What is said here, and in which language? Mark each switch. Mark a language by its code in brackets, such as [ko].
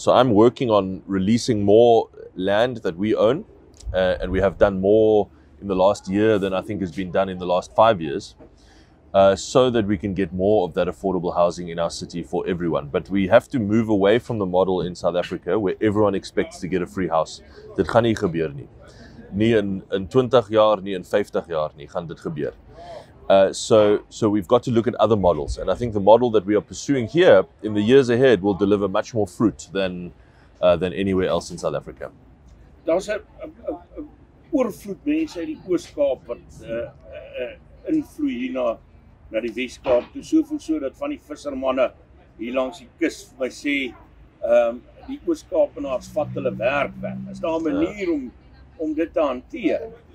[en] So I'm working on releasing more land that we own, and we have done more in the last year than I think has been done in the last 5 years, so that we can get more of that affordable housing in our city for everyone. But we have to move away from the model in South Africa where everyone expects to get a free house. [af] Dit gaan nie gebeur nie. Nie in 20 jaar, nie in 50 jaar nie gaan dit gebeur. [en] So we've got to look at other models. And I think the model that we are pursuing here in the years ahead will deliver much more fruit than anywhere else in South Africa. [af] Daar's 'n oorvloed mense uit die Oos-Kaap wat invloei hier na die Wes-Kaap. Toe soveel so dat van die vissermanne hier langs die kus vir my sê, die Oos-Kaapenaars vat hulle werk weg. Is daar 'n manier om dit te hanteer?